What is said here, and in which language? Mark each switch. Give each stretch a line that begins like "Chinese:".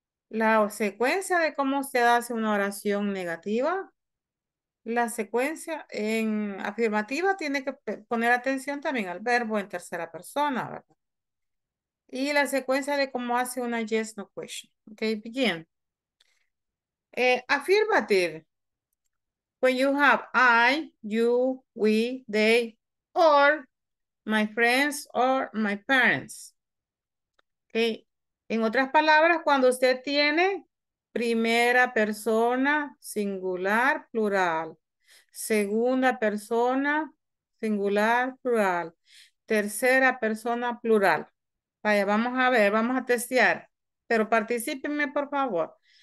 Spanish: La secuencia de cómo usted hace una oración negativa. La secuencia en afirmativa tiene que poner atención también al verbo en tercera persona, ¿verdad? Y la secuencia de cómo hace una
English: yes, no question. Ok, begin. Affirmative. When you have I, you, we, they, or my friends or my parents. Ok.
Spanish: En otras palabras, cuando usted tiene primera persona, singular, plural. Segunda persona, singular, plural. Tercera persona, plural. Vaya, vamos a ver, vamos a testear. Pero participenme, por favor.